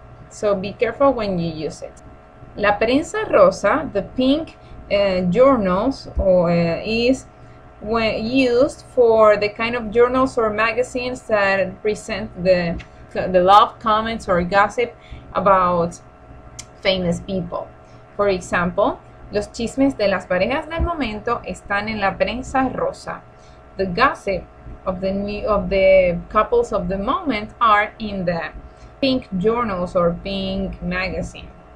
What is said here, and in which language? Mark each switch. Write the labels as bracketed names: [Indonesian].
[English] So be careful when you use it. [Spanish] La prensa rosa, [English] the pink journals, is when used for the kind of journals or magazines that present the love comments or gossip about famous people. For example, [Spanish] los chismes de las parejas del momento están en la prensa rosa. [English] The gossip of the couples of the moment are in the pink journals or pink magazine.